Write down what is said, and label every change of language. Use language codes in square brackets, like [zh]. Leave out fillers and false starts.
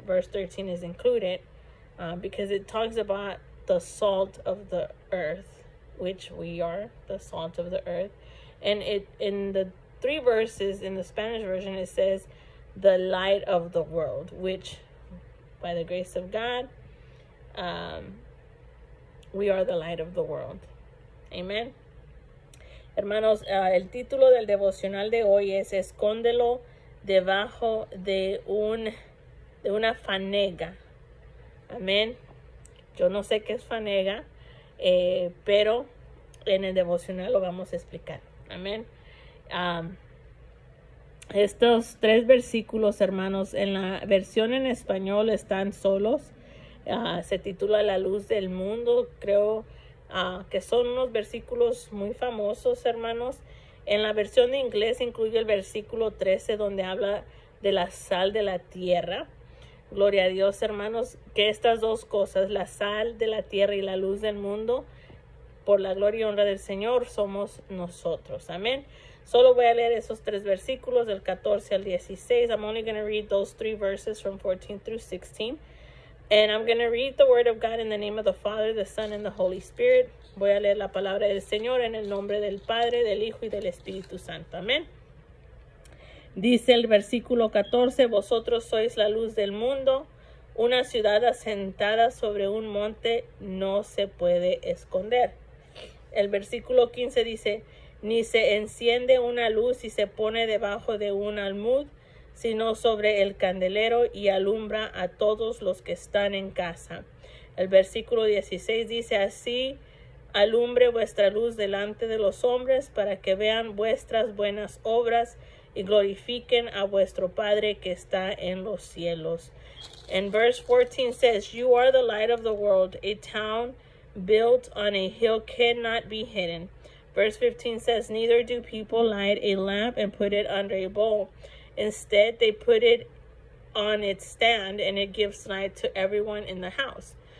[en] Verse 13 is included because it talks about the salt of the earth, which we are the salt of the earth. And it in the three verses in the Spanish version, it says the light of the world, which by the grace of God, we are the light of the world. Amen. [es] Hermanos, el título del devocional de hoy es Escóndelo debajo de una fanega. Amén. Yo no sé qué es fanega, pero en el devocional lo vamos a explicar. Amén. Estos tres versículos, hermanos, en la versión en español están solos. Se titula La Luz del Mundo. Creo que son unos versículos muy famosos, hermanos. En la versión de inglés incluye el versículo 13, donde habla de la sal de la tierra. Gloria a Dios, hermanos, que estas dos cosas, la sal de la tierra y la luz del mundo, por la gloria y honra del Señor, somos nosotros. Amén. Solo voy a leer esos tres versículos, del 14 al 16. [en] I'm only going to read those three verses from 14 through 16. And I'm going to read the word of God in the name of the Father, the Son, and the Holy Spirit. [es] Voy a leer la palabra del Señor en el nombre del Padre, del Hijo y del Espíritu Santo. Amén. Dice el versículo 14, vosotros sois la luz del mundo. Una ciudad asentada sobre un monte no se puede esconder. El versículo 15 dice, ni se enciende una luz y se pone debajo de un almud, sino sobre el candelero y alumbra a todos los que están en casa. El versículo 16 dice, así alumbre vuestra luz delante de los hombres para que vean vuestras buenas obras y glorifiquen a vuestro Padre que está en los cielos. [en] And verse 14 says, you are the light of the world. A town built on a hill cannot be hidden. Verse 15 says, neither do people light a lamp and put it under a bowl. Instead, they put it on its stand and it gives light to everyone in the house.